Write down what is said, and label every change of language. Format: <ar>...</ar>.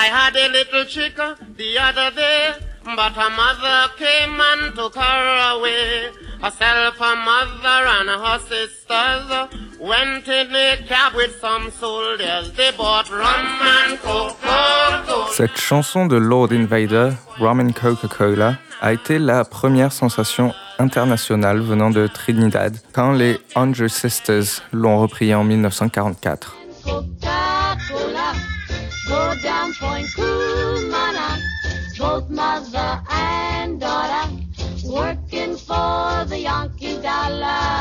<en>A little chick the other day, but her mother came and took her away. Herself, her mother and her sisters went in a cab with some soldiers. They bought rum and Coca-Cola.</en> <fr>Cette chanson de Lord Invader, Rum and Coca-Cola, a été la première sensation internationale venant de Trinidad quand les Andrew Sisters l'ont repris en 1944.</fr> <en>Coca-Cola, go down point Kumana, both mother and daughter, working for the Yankee dollar.</en>